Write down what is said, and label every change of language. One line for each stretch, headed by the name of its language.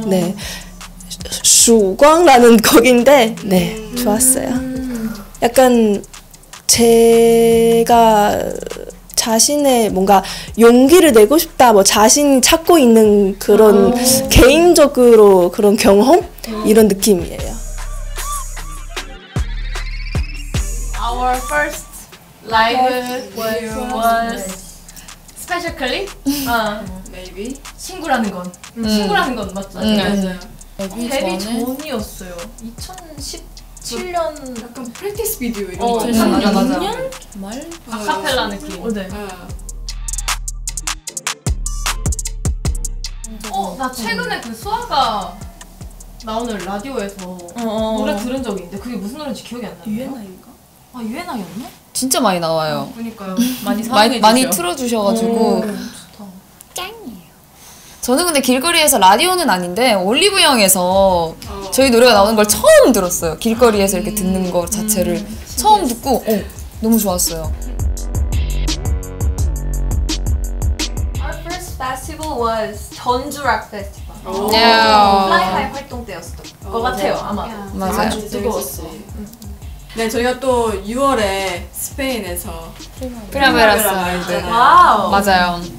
Korean: 네, 수광라는 곡인데 네 좋았어요. 약간 제가 자신의 뭔가 용기를 내고 싶다, 뭐 자신이 찾고 있는 그런 개인적으로 그런 경험 이런 느낌이에요.
English: Our first live was specifically maybe
Korean: 친구라는 건 친구라는 건 맞죠? 맞아요. 데뷔 전이었어요. 2017년 약간 프랙티스 비디오 이런 2016년 말 아카펠라 느낌. 네. 나 최근에 그 수아가 나오는 라디오에서 노래 들은 적이 있는데 그게 무슨 노래인지 기억이 안 나요. 아, 유엔아이였나? 진짜 많이 나와요. 그러니까요. 많이 사랑해주세요. 많이 틀어주셔가지고. 오, 좋다. 짱이에요. 저는 근데 길거리에서 라디오는 아닌데 올리브 형에서 저희 노래가 나오는 걸 처음 들었어요. 길거리에서 이렇게 듣는 거 자체를 처음 듣고 너무 좋았어요.
English: Our first festival was 전주 락 페스티벌.
Korean: 오. 하이하이 활동 때였었던 것 같아요. 아마도. 맞아요. 아주 뜨거웠어. 네, 저희가 또 6월에 스페인에서 프리메라스 마인드 맞아요.